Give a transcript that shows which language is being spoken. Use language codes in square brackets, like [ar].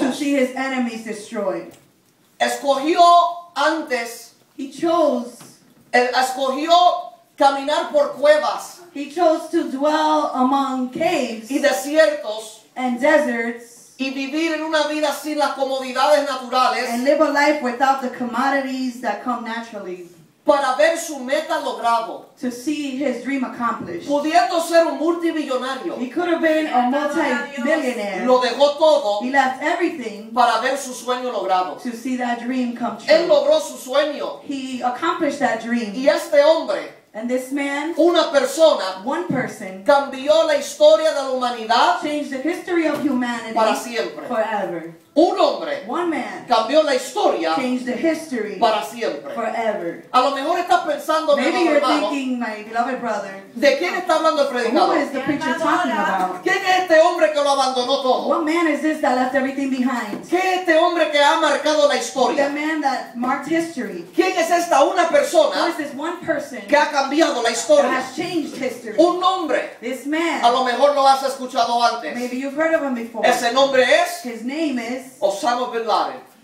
[en] to see his enemies destroyed. [es] Escogió antes, [en] he chose, [es] escogió caminar por cuevas, [en] he chose to dwell among caves, [es] y desiertos, [en] and deserts, [es] y vivir en una vida sin las comodidades naturales, [en] and live a life without the commodities that come naturally, [es] para ver su meta logrado, [en] to see his dream accomplished, [es] pudiendo ser un multimillonario, [en] he could have been a multi-millionaire, [es] lo dejó todo, [en] he left everything, [es] para ver su sueño logrado, [en] to see that dream come true. [es] Él logró su sueño, [en] he accomplished that dream, [es] y este hombre, [en] and this man, [es] una persona, [en] one person, [es] cambió la historia de la humanidad, [en] changed the history of humanity, [es] para siempre, [en] forever. [es] Un hombre, [en] one man, [es] cambió la historia, [en] changed the history, [es] para siempre, [en] forever. [es] A lo mejor estás pensando, [en] maybe [es] mi [en] you're [es] hermano, [en] thinking, my beloved brother, [es] ¿de quién está hablando el predicador? [en] Who is the preacher talking about? [es] ¿Quién es este hombre que lo abandonó todo? [en] What man is this that left everything behind? [es] ¿Qué es este hombre que ha marcado la historia? [en] The man that marked history. [es] ¿Quién es esta una persona? [en] Who is this one person [es] que ha cambiado la historia? [en] That has changed history. [es] Un nombre. [en] This man. [es] A lo mejor lo has escuchado antes. [en] Maybe you've heard of him before. [es] Ese nombre es. [en] His name is. Osama Bin Laden.